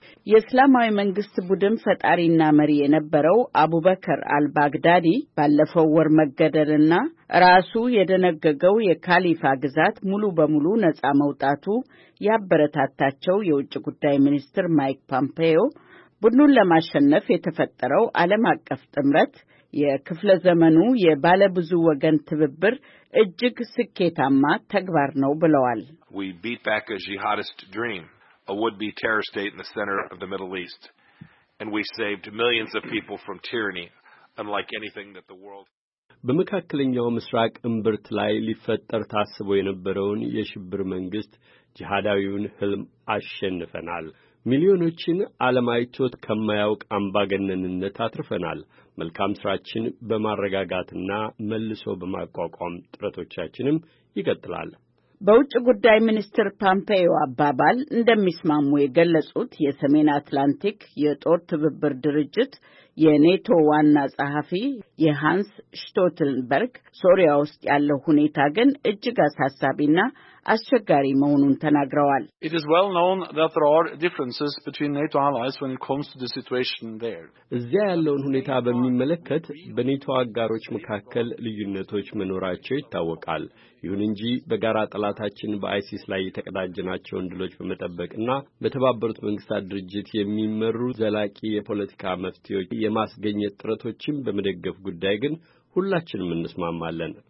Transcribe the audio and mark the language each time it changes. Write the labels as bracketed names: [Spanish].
[Amharic] የእስላማዊ መንግስት ቡድን ፈጣሪና መሪ የነበረው አቡበከር አልባግዳዲ ባለፈው ወር መገደልና ራሱ የደነገገው የካሊፋ ግዛት ሙሉ በሙሉ ነጻ መውጣቱ ያበረታታቸው የውጭ ጉዳይ ሚኒስትር ማይክ ፖምፔዮ ቡድኑን ለማሸነፍ የተፈጠረው ዓለም አቀፍ ጥምረት የክፍለ ዘመኑ የባለብዙ ወገን ትብብር እጅግ ስኬታማ ተግባር ነው ብለዋል። [English] We beat back a jihadist dream. A would-be terrorist state in the center of the Middle East. And we saved millions of people from tyranny, unlike anything that the world... [Amharic] በመካከለኛው ምስራቅ እምብርት ላይ ሊፈጠር ታስቦ የነበረውን የሽብር መንግስት ጂሃዳዊውን ህልም አሸንፈናል። ሚሊዮኖችን ዓለማይቶት ከማያውቅ አምባገነንነት አትርፈናል። መልካም ስራችን በማረጋጋትና መልሶ በማቋቋም ጥረቶቻችንም ይቀጥላል። በውጭ ጉዳይ ሚኒስትር ፖምፔዮ አባባል እንደሚስማሙ የገለጹት የሰሜን አትላንቲክ የጦር ትብብር ድርጅት የኔቶ ዋና ጸሐፊ የሃንስ ሽቶልተንበርግ ሶሪያ ውስጥ ያለው ሁኔታ ግን እጅግ አሳሳቢና አስቸጋሪ መሆኑን ተናግረዋል። [English] It is well known that there are differences between NATO allies when it comes to the situation there. [Amharic] እዚያ ያለውን ሁኔታ በሚመለከት በኔቶ አጋሮች መካከል ልዩነቶች መኖራቸው ይታወቃል። ይሁን እንጂ በጋራ ጥላታችን በአይሲስ ላይ የተቀዳጀናቸውን ድሎች በመጠበቅና በተባበሩት መንግስታት ድርጅት የሚመሩ ዘላቂ የፖለቲካ መፍትሄዎች የማስገኘት ጥረቶችን በመደገፍ ጉዳይ ግን ሁላችንም እንስማማለን።